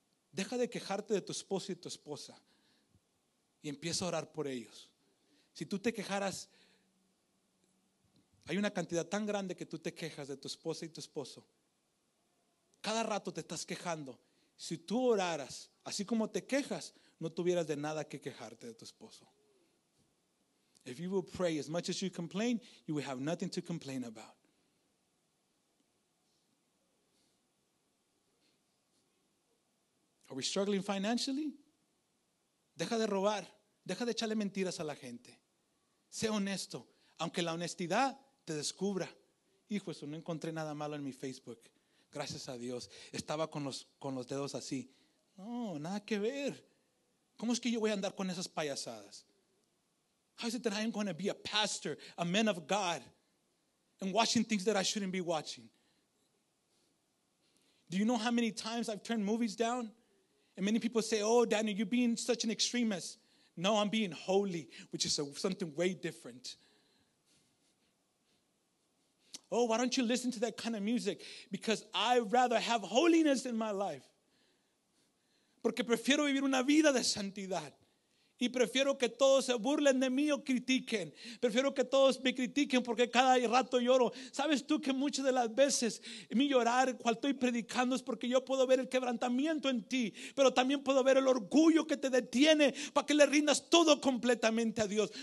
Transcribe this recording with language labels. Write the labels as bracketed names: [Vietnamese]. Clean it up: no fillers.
[Spanish] Deja de quejarte de tu esposo y tu esposa y empieza a orar por ellos. Si tú te quejaras, hay una cantidad tan grande que tú te quejas de tu esposa y tu esposo. Cada rato te estás quejando. Si tú oraras, así como te quejas, no tuvieras de nada que quejarte de tu esposo. [English] If you will pray as much as you complain, you will have nothing to complain about. Are we struggling financially? [Spanish] Deja de robar. Deja de echarle mentiras a la gente. Sé honesto. Aunque la honestidad te descubra. Hijo, eso no encontré nada malo en mi Facebook. Gracias a Dios. Estaba con los dedos así. No, nada que ver. ¿Cómo es que yo voy a andar con esas payasadas? [English] How is it that I am going to be a pastor, a man of God, and watching things that I shouldn't be watching? Do you know how many times I've turned movies down? And many people say, oh, Daniel, you're being such an extremist. No, I'm being holy, which is something way different. Oh, why don't you listen to that kind of music? Because I'd rather have holiness in my life. [Spanish] Porque prefiero vivir una vida de santidad. Y prefiero que todos se burlen de mí o critiquen. Prefiero que todos me critiquen porque cada rato lloro. ¿Sabes tú que muchas de las veces mi llorar cuando estoy predicando es porque yo puedo ver el quebrantamiento en ti? Pero también puedo ver el orgullo que te detiene para que le rindas todo completamente a Dios.